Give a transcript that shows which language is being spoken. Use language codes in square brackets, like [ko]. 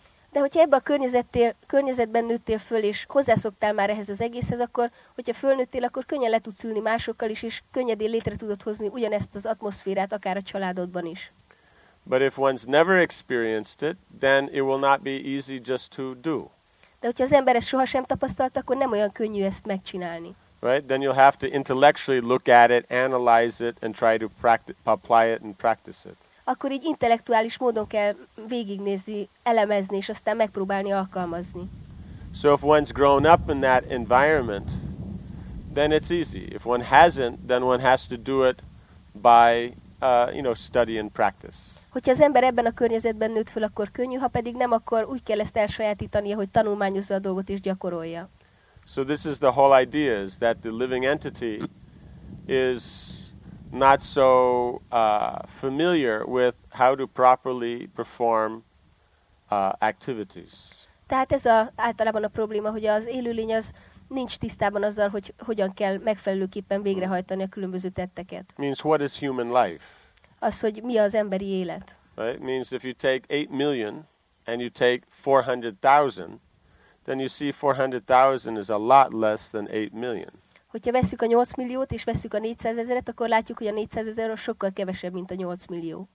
[hu] De hogyha ebben a környezetben nőttél föl, és hozzászoktál már ehhez az egészhez, akkor, hogyha fölnőttél, akkor könnyen le tudsz ülni másokkal is, és könnyedén létre tudod hozni ugyanezt az atmoszférát, akár a családodban is. [en] But if one's never experienced it, then it will not be easy just to do. [hu] De hogyha az ember ezt sohasem tapasztalta, akkor nem olyan könnyű ezt megcsinálni. [en] Right, then you'll have to intellectually look at it, analyze it, and try to apply it and practice it. [hu] Akkor így intellektuális módon kell végignézni, elemezni, és aztán megpróbálni alkalmazni. [en] So if one's grown up in that environment, then it's easy. If one hasn't, then one has to do it by, study and practice. [hu] Hogyha az ember ebben a környezetben nőtt föl, akkor könnyű, ha pedig nem, akkor úgy kell ezt elsajátítania, hogy tanulmányozza a dolgot és gyakorolja. [en] So this is the whole idea, is that the living entity is not so familiar with how to properly perform activities. [hu] Tehát ez általában a probléma, hogy az élőlény az nincs tisztában azzal, hogy hogyan kell megfelelőképpen végrehajtani a különböző tetteket. [en] Means what is human life? [hu] Az, hogy mi az emberi élet. [en] Right? Means if you take 8 million and you take 400,000, then you see 400,000 is a lot less than 8 million. [hu] Hogyha veszük a 8 milliót és veszük a 400,000-et, akkor látjuk, hogy a 400,000 sokkal kevesebb, mint a 8 millió.